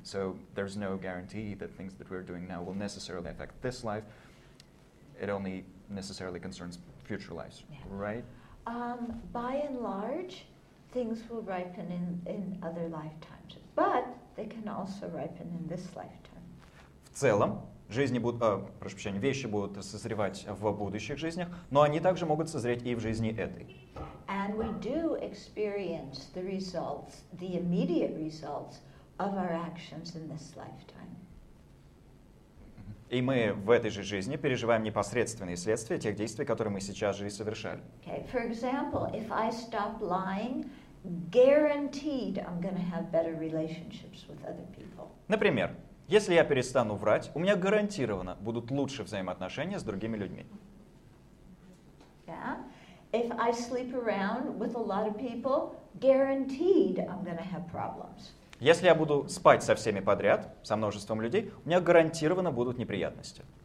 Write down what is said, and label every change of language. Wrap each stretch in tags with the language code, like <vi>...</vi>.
<en>So there's no guarantee that things that we're doing now will necessarily affect this life. It only necessarily concerns future lives, yeah. Right? By and large, things will ripen in other lifetimes, but they can also ripen in this lifetime.</en> <ru>В целом, жизни будут, прошу прощения, вещи будут созревать в будущих жизнях, но они также могут созреть и в жизни этой.</ru> <en>And we do experience the results, the immediate results of our actions in this lifetime.</en> <ru>И мы в этой же жизни переживаем непосредственные следствия тех действий, которые мы сейчас же и совершали.</ru> <en>Okay, for example, if I stop lying, guaranteed I'm going to have better relationships with other people.</en> <ru>Например, если я перестану врать, у меня гарантированно будут лучше взаимоотношения с другими людьми.</ru> <en>Yeah. If I sleep around with a lot of people, guaranteed I'm going to have problems.</en> <ru>Если я буду спать со всеми подряд, со множеством людей, у меня гарантированно будут неприятности.</ru>